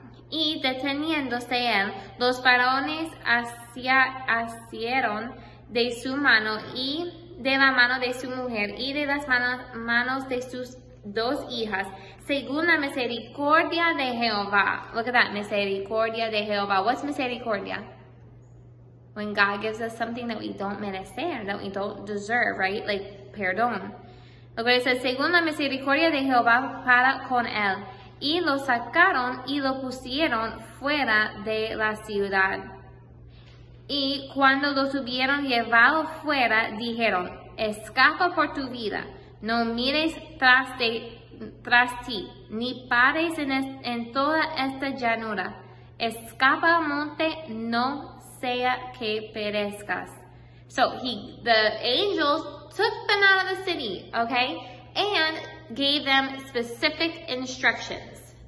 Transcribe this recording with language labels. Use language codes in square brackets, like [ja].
[es] Y deteniéndose él, los varones asieron de su mano y de la mano de su mujer y de las manos de sus dos hijas, según la misericordia de Jehová. [en] Look at that, [es] misericordia de Jehová. [en] What's misericordia? When God gives us something that we don't merecer, that we don't deserve, right? [es] Like, perdón. [en] Look what it says, [es] según la misericordia de Jehová para con él. Y lo sacaron y lo pusieron fuera de la ciudad. Y cuando los hubieron llevado fuera, dijeron, escapa por tu vida. No mires tras ti, ni pares en toda esta llanura. Escapa al monte, no sea que perezcas. [en] So the angels took them out of the city, okay, and gave them specific instructions.